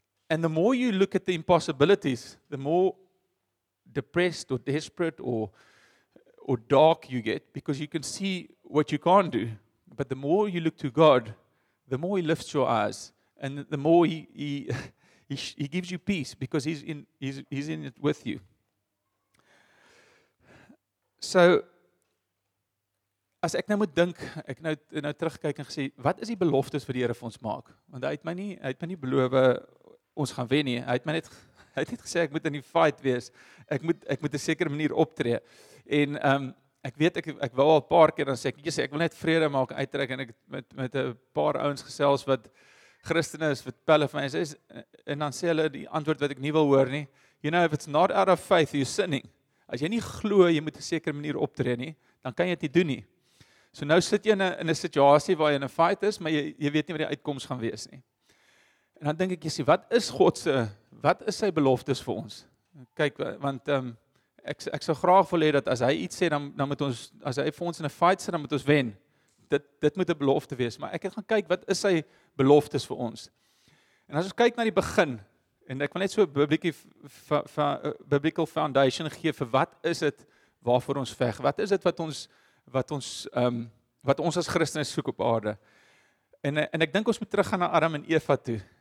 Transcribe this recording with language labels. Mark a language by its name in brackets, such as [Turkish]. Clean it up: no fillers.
[English] And the more you look at the impossibilities, the more depressed or desperate or dark you get, because you can see what you can't do. But the more you look to God, the more he lifts your eyes, and the more he gives you peace, because he's in it with you. [Afrikaans] So, as ek nou moet dink, ek nou terugkyk en gesê, wat is die beloftes vir die Here vir ons maak? Want hy het my nie beloof ons gaan wen nie. Hy het net gesê ek moet in die fight wees. Ek moet 'n sekere manier optree. En ek weet ek wou al 'n paar keer dan sê ek wil net vrede maak en uittrek, en ek met 'n paar ouens gesels wat Christene is, wat pelle vir my is, en dan sê hulle die antwoord wat ek nie wil hoor nie. [English] You know, if it's not out of faith, you're sinning. [Afrikaans] As jy nie glo jy moet 'n sekere manier optree nie, dan kan jy dit nie doen nie. So nou sit jy in 'n situasie waar jy in 'n fight is, maar jy weet nie wat die uitkoms gaan wees nie. En dan dink ek, jy sê, wat is sy beloftes vir ons? Kyk, want ek sal graag wil hê dat as hy iets sê, dan moet ons, as hy vir ons in 'n fight sê, dan moet ons wen. Dit moet 'n belofte wees, maar ek het gaan kyk, wat is sy beloftes vir ons? En as ons kyk na die begin, en ek wil net so 'n [English] biblical foundation [Afrikaans] gee vir wat is dit waarvoor ons veg? Wat is dit wat ons as Christene soek op aarde? En ek dink ons moet teruggaan na Adam en Eva toe.